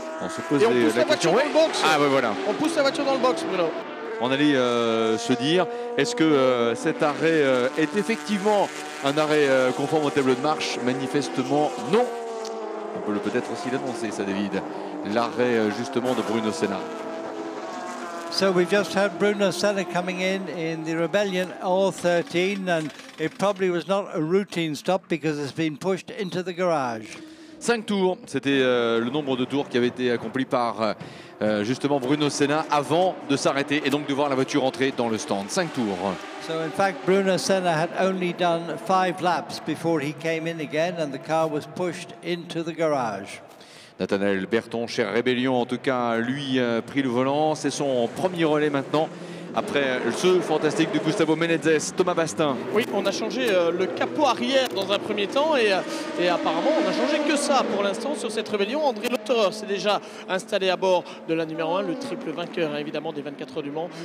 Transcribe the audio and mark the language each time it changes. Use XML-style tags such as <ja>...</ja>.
<fr>On se pose et on pousse la voiture dans le box. Ah ouais, voilà. On pousse la voiture dans le box, Bruno. On allait se dire, est-ce que cet arrêt est effectivement un arrêt conforme au tableau de marche? Manifestement, non. On peut peut-être aussi l'annoncer, ça, David. L'arrêt, justement, de Bruno Senna.</fr> <en>So we've just had Bruno Senna coming in the Rebellion R13, and it probably was not a routine stop because it's been pushed into the garage.</en> <fr>Cinq tours, c'était le nombre de tours qui avait été accompli par justement Bruno Senna avant de s'arrêter et donc de voir la voiture entrer dans le stand. Cinq tours.</fr> <en>So in fact, Bruno Senna had only done five laps before he came in again, and the car was pushed into the garage.</en> <fr>Nathanaël Berton, chez Rébellion, en tout cas, lui, pris le volant. C'est son premier relais maintenant, après ce fantastique de Gustavo Menezes. Thomas Bastin. Oui, on a changé le capot arrière dans un premier temps et apparemment, on n'a changé que ça pour l'instant sur cette Rébellion. André Lotterer s'est déjà installé à bord de la numéro 1, le triple vainqueur, évidemment, des 24 Heures du Mans.</fr>